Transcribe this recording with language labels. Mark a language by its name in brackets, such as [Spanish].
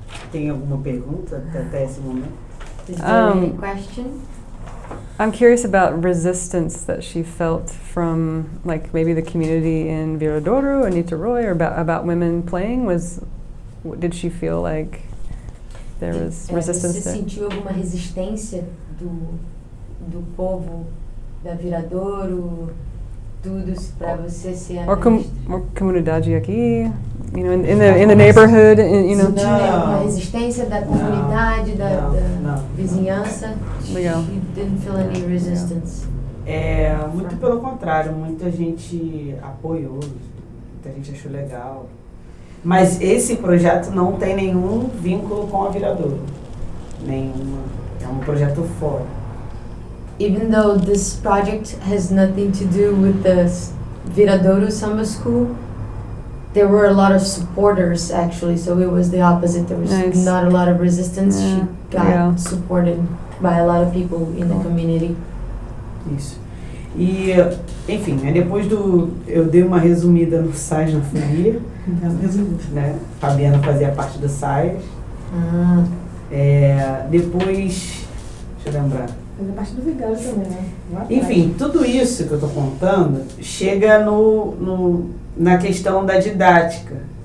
[Portuguese] Tem alguma pergunta até esse momento? [English] Any question? I'm curious about resistance that she felt from, like, maybe the community in Viradouro, Anitta Roy, or about women playing. Was did she feel like there was resistance there? [Portuguese] Você sentiu alguma resistência do povo da Viradouro, tudo para você ser [English] Or [Portuguese] comunidade aqui, [English] you know, in the neighborhood, you know? [Portuguese] Sentiu alguma resistência da comunidade, da vizinhança? Legal. [English] She didn't feel any resistance. [Portuguese] É, muito pelo contrário, muita gente apoiou, muita gente achou legal. Mas esse projeto não tem nenhum vínculo com a Viradouro. Nenhuma. É um projeto fora. [English] Even though this project has nothing to do with the Viradouro Summer School, there were a lot of supporters actually, so it was the opposite. There was nice. Not a lot of resistance. Yeah. She got supported by a lot of people in the community. [Portuguese] Isso. E, enfim, né, depois do... Eu dei uma resumida no SAIS na FURIA. Né? Fabiana fazia parte do SAIS. Ah. É, depois... Deixa eu lembrar. Fazia parte do Vigário também, né? Enfim, tudo isso que eu tô contando chega na questão da didática.